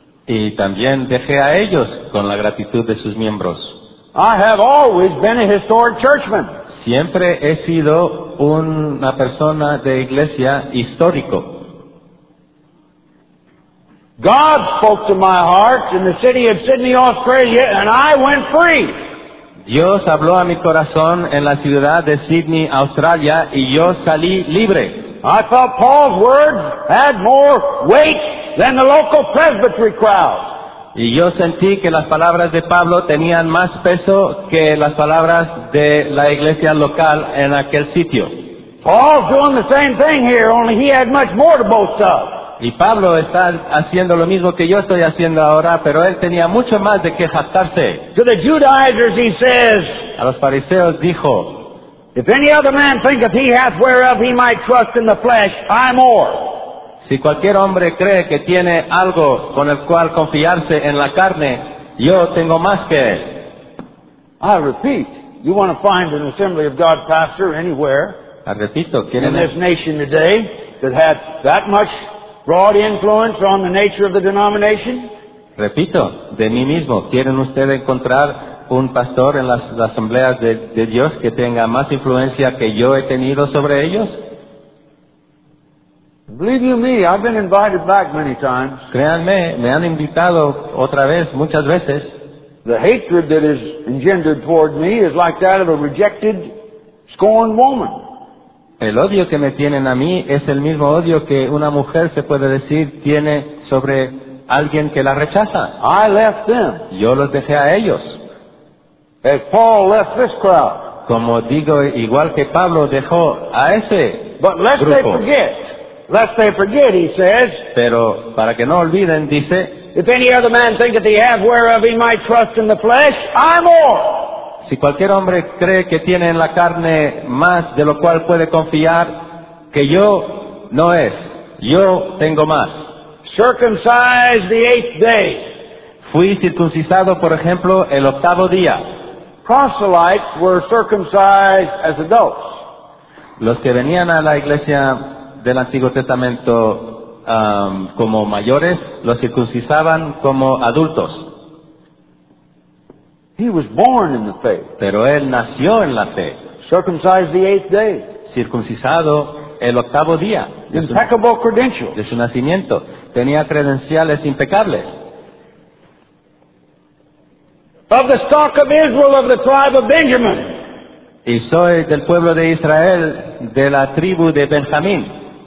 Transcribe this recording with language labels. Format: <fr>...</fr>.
<es>Y también dejé a ellos con la gratitud de sus miembros.</es> <en>I have always been a historic churchman.</en> <es>Siempre he sido una persona de iglesia histórico.</es> <en>God spoke to my heart in the city of Sydney, Australia, and I went free.</en> <es>Dios habló a mi corazón en la ciudad de Sydney, Australia, y yo salí libre.</es> <en>I thought Paul's words had more weight than the local presbytery crowd.</en> <es>Y yo sentí que las palabras de Pablo tenían más peso que las palabras de la iglesia local en aquel sitio.</es> <en>Paul's doing the same thing here, only he had much more to boast of.</en> <es>Y Pablo está haciendo lo mismo que yo estoy haciendo ahora, pero él tenía mucho más de qué jactarse.</es> <en>To the Judaizers he says,</en> <es>a los fariseos dijo,</es> <en>if any other man thinketh he hath whereof he might trust in the flesh, I more.</en> <es>Si cualquier hombre cree que tiene algo con el cual confiarse en la carne, yo tengo más que él.</es> <en>I repeat, you want to find an Assembly of God pastor anywhere in this nation today that has that much broad influence on the nature of the denomination?</en> <es>Repito, de mí mismo, ¿quieren ustedes encontrar un pastor en las asambleas de Dios que tenga más influencia que yo he tenido sobre ellos?</es> <en>Believe you me, I've been invited back many times.</en> <es>Créanme, me han invitado otra vez, muchas veces.</es> <en>The hatred that is engendered toward me is like that of a rejected, scorned woman.</en> <es>El odio que me tienen a mí es el mismo odio que una mujer se puede decir tiene sobre alguien que la rechaza.</es> <en>I left them.</en> <es>Yo los dejé a ellos.</es> <en>As Paul left this crowd.</en> <es>Como digo, igual que Pablo dejó a ese</es> <en>But lest</en> <es>grupo.</es> <en>They forget, lest they forget, he says.</en> <es>Pero para que no olviden, dice,</es> <en>if any other man thinketh he hath whereof he might trust in the flesh, I more.</en> <es>Si cualquier hombre cree que tiene en la carne más de lo cual puede confiar, que yo no es. Yo tengo más.</es> <en>Circumcised the eighth day.</en> <es>Fui circuncisado, por ejemplo, el octavo día.</es> <en>Proselytes were circumcised as adults.</en> <es>Los que venían a la iglesia del Antiguo Testamento como mayores, los circuncisaban como adultos.</es> <en>He was born in the faith.</en> <es>Pero él nació en la fe.</es> <en>Circumcised the eighth day.</en> <es>Circuncisado el octavo día.</es> <en>Impeccable credentials.</en> <es>De su nacimiento. Tenía credenciales impecables.</es> <en>Of the stock of Israel, of the tribe of Benjamin.</en> <es>Y soy del pueblo de Israel, de la tribu de Benjamín.</es>